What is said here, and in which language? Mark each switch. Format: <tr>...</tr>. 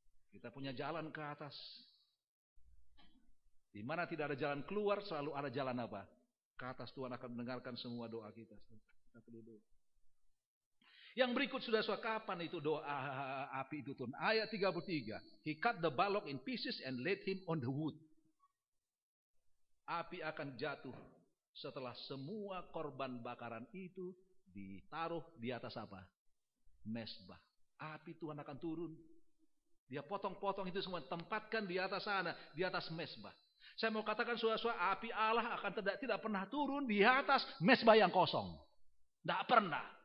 <id>Kita punya jalan ke atas. Di mana tidak ada jalan keluar, selalu ada jalan apa? Ke atas, Tuhan akan mendengarkan semua doa kita. Yang berikut sudah suatu kapan itu doa api itu turun. Ayat 33.</id> <en>He cut the bullock in pieces and laid him on the wood.</en> <id>Api akan jatuh setelah semua korban bakaran itu ditaruh di atas apa? Mesbah. Api Tuhan akan turun. Dia potong-potong itu semua, tempatkan di atas sana, di atas mesbah. Saya mau katakan suara-suara api Allah akan tidak pernah turun di atas mesbah yang kosong. Tidak pernah.</id>